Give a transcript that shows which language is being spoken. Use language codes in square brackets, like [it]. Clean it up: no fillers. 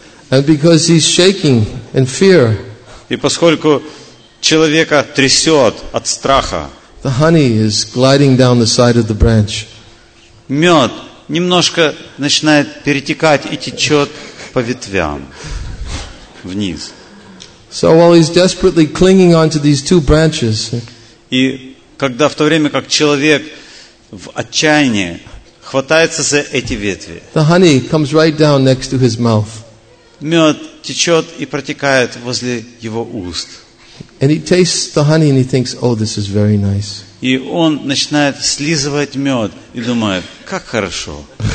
[en] And because he's shaking in fear. [ru] И поскольку человека трясет от страха. [en] The honey is gliding down the side of the branch. [ru] Мед немножко начинает перетекать и течет по ветвям вниз. [en] So while he's desperately clinging onto these two branches, [ru] и когда в то время как человек в отчаянии хватается за эти ветви, [en] the honey comes right down next to his mouth. [ru] Мед течет и протекает возле его уст. [en] And he tastes the honey and he thinks, "Oh, this is very nice." [ru] И он начинает слизывать мед и думает, как хорошо.